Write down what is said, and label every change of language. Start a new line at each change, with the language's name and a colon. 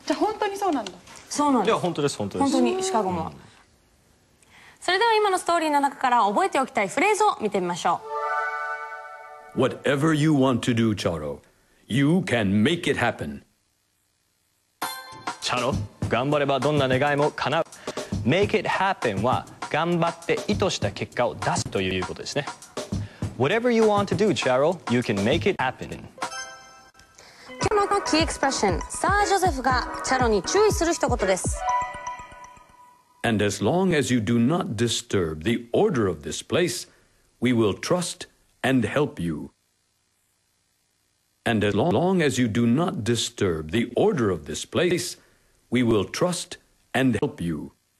Japanese: じゃあ本当にそうなんだ。そうなんです。いや本当です、本当です。本当にシカゴも。それでは今のストーリーの中から覚えておきたいフレーズを見てみましょう。
English: Whatever you want to do, Chato, you can make it happen.
Japanese: チャロ、頑張ればどんな願いも叶う。
English: Make it happen
Japanese: は頑張って意図した結果を出すということですね。
English: Whatever you want to do, Chato, you can make it happen.
Japanese: 今日のキーエクスプレッション、サー・ジョゼフがチャロに注意する一言です。
English: And as long as you do not disturb the order of this place, we will trust and help you. And as long as you do not disturb the order of this place, we will trust and help you.